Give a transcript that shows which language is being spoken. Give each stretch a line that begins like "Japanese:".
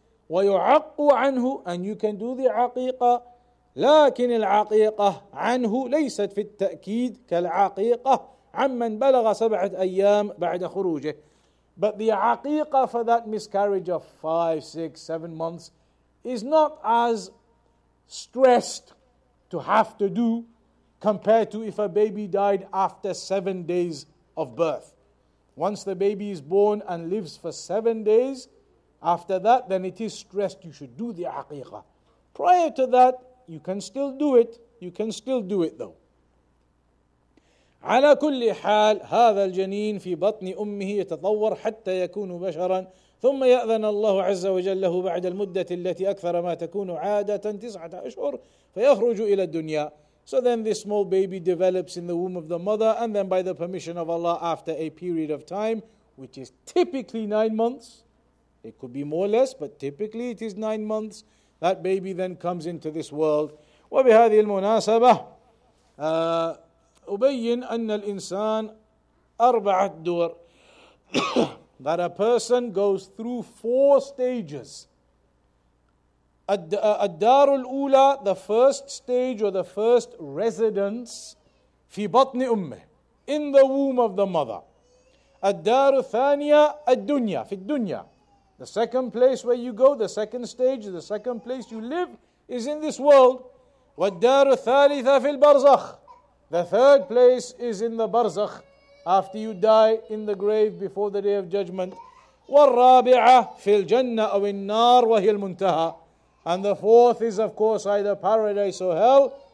Arabic: ويعق عنه,
English: and you can do the
Arabic: عقيقة, لكن العقيقة عنه ليست في التأكيد كالعقيقة عمن بلغ سبعة أيام بعد خروجه.
English: But the عقيقة for that miscarriage of 5, 6, 7 months is not as stressed to have to do compared to if a baby died after 7 days of birth. Once the baby is born and lives for 7 days, after that, then it is stressed you should do the aqiqah. Prior to that, you can still do it. You can still do it though.
Arabic: على كل حال هذا الجنين في بطن أمه يتطور حتى يكون بشرا ثم يأذن الله عز وجل له بعد المدة التي أكثر ما تكون عادة 9 أشهر فيخرج إلى الدنيا.
English: So then this small baby develops in the womb of the mother, and then by the permission of Allah, after a period of time, which is typically 9 months, it could be more or less, but typically it is 9 months, that baby then comes into this world.
Arabic: وبهذه المناسبة أبين أن الإنسان أربعة دور.
English: That a person goes through 4 stages.
Arabic: الدار الأولى,
English: the first stage or the first residence,
Arabic: في بطن أمه,
English: in the womb of the mother.
Arabic: الدار الثانية, الدنيا, في الدنيا.
English: The second place where you go, the second stage, the second place you live, is in this world.
Arabic: والدار الثالثة في البرزخ.
English: The third place is in the barzakh, after you die in the grave before the day of judgment.
Arabic: والرابعة في الجنة أو النار وهي المنتهى.
English: And the fourth is of course either paradise or hell.